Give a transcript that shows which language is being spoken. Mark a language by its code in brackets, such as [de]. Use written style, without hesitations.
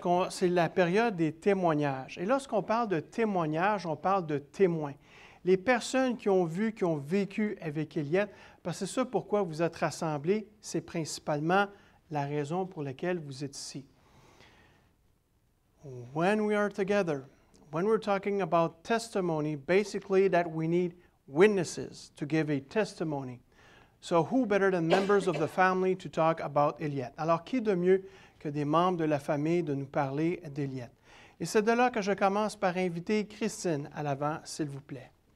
[fr] C'est la période des témoignages. Et lorsqu'on parle de témoignages, on parle de témoins. Les personnes qui ont vu, qui ont vécu avec Eliette, parce que c'est ça pourquoi vous êtes rassemblés, c'est principalement la raison pour laquelle vous êtes ici. [en] When we are together, when we're talking about testimony, basically that we need witnesses to give a testimony. So who better than members of the family to talk about Eliette? [fr] Alors, qui de mieux que des membres de la famille de nous parler d'Eliette? Et c'est de là que je commence par inviter Christine à l'avant, s'il vous plaît.